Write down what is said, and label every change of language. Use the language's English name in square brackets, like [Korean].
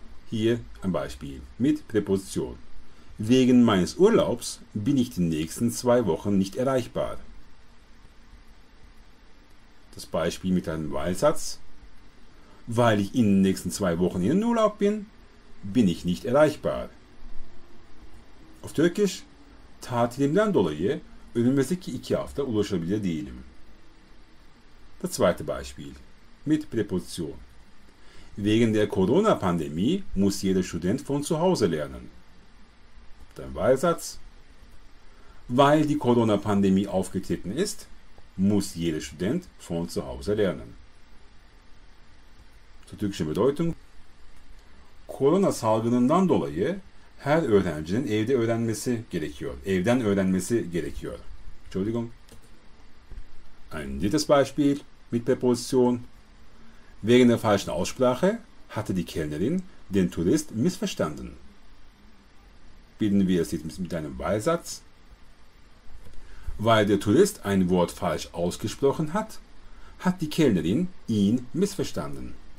[German] Hier ein Beispiel mit Präposition. Wegen meines Urlaubs bin ich die nächsten 2 Wochen nicht erreichbar. Das Beispiel mit einem Weilsatz. Weil ich in den nächsten 2 Wochen in Urlaub bin, bin ich nicht erreichbar. Auf Türkisch, [Turkish] tatilimden dolayı önümüzdeki 2 hafta ulaşabilir değilim. [German] Das zweite Beispiel mit Präposition. Wegen der Corona-Pandemie muss jeder Student von zu Hause lernen. Dein Beisatz. Weil die Corona-Pandemie aufgetreten ist, muss jeder Student von zu Hause lernen. Zur türkischen Bedeutung. [Turkish] Corona-Salgınından dolayı her öğrencinin evde öğrenmesi gerekiyor. Evden öğrenmesi gerekiyor. [German] Entschuldigung. Ein drittes Beispiel mit Präposition. Wegen der falschen Aussprache hatte die Kellnerin den Tourist missverstanden. Bilden wir es jetzt mit einem Beisatz. Weil der Tourist ein Wort falsch ausgesprochen hat, hat die Kellnerin ihn missverstanden.